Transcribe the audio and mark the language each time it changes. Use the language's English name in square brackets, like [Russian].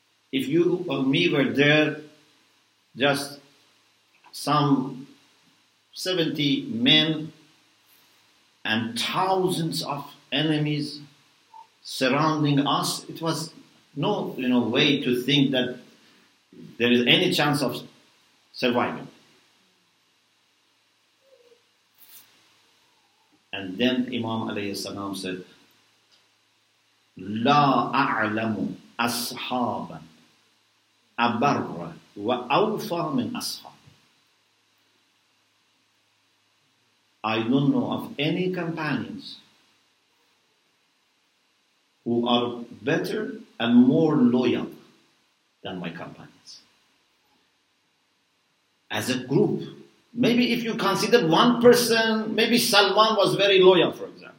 [English] If you or me were there, just some 70 men and thousands of enemies surrounding us, it was no, you know, way to think that there is any chance of surviving. And then Imam alayhi salam said, [Arabic] لا أعلم أصحابا أبر وأوفى من أصحاب. [English] I don't know of any companions who are better and more loyal than my companions. As a group, maybe if you consider one person, maybe Salman was very loyal, for example.